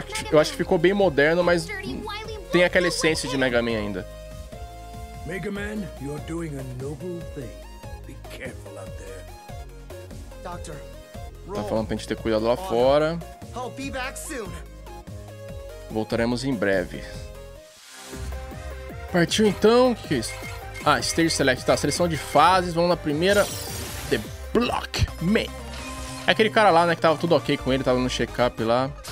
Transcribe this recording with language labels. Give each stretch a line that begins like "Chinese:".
Portuguese: Eu acho que ficou bem moderno, mas tem aquela essência de Mega Man ainda.
English: Mega Man, you're doing a noble thing. Be careful out there. Doctor,
Portuguese: tá falando pra gente ter cuidado lá fora.
English: I'll be back soon.
Portuguese: Voltaremos em breve. Partiu então, o que é isso? Ah, Stage Select, tá. Seleção de fases, vamos na primeira. The Block Man. É aquele cara lá, né, que tava tudo ok com ele, tava no check-up lá.